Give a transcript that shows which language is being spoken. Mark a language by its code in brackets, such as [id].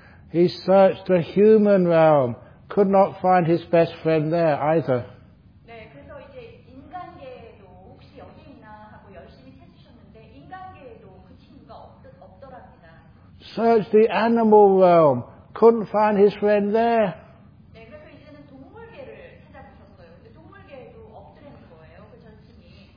[en] He searched the human realm, could not find his best friend there either. [ko] 네, 그래서 이제 인간계에도 혹시 여기 있나 하고 열심히 찾으셨는데 인간계에도 그 친구가 없더랍니다. [en] Searched the animal realm, couldn't find his friend there. [ko] 네, 그래서 이제는 동물계를 찾아보셨어요. 근데 동물계에도 없더라는 거예요, 그 전신이.